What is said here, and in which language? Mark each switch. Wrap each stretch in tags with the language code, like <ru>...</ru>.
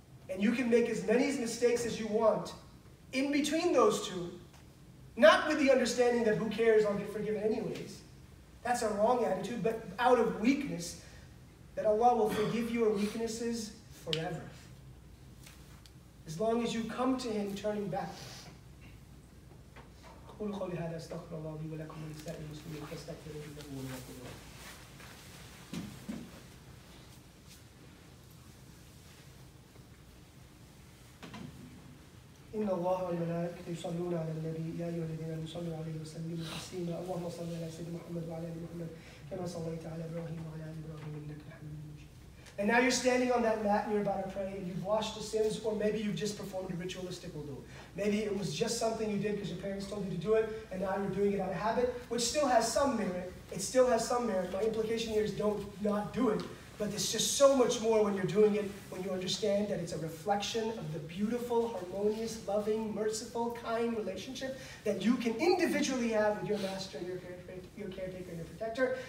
<en>And you can make as many mistakes as you want in between those two, not with the understanding that who cares, I'll get forgiven anyways. That's a wrong attitude, but out of weakness, that Allah will forgive your weaknesses forever. As long as you come to Him turning back.</en> <ar>قول قولي هذا استغفر الله لي ولكم ولسائر المسلمين فاستغفروه انه هو الغفور الرحيم. ان الله والملائكه يصلون على النبي يا ايها الذين امنوا صلوا عليه وسلموا تسليما. اللهم صل على سيدنا محمد وعلى ال محمد كما صليت على ابراهيم وعلى ال ابراهيم انك حميد مجيد.</ar> <en>And now you're standing on that mat and you're about to pray and you've washed the sins, or maybe you've just performed a ritualistic wudu. Maybe it was just something you did because your parents told you to do it, and now you're doing it out of habit, which still has some merit. It still has some merit. My implication here is don't not do it. But it's just so much more when you're doing it, when you understand that it's a reflection of the beautiful, harmonious, loving, merciful, kind relationship that you can individually have with your master, your caretaker, and your protector.</en>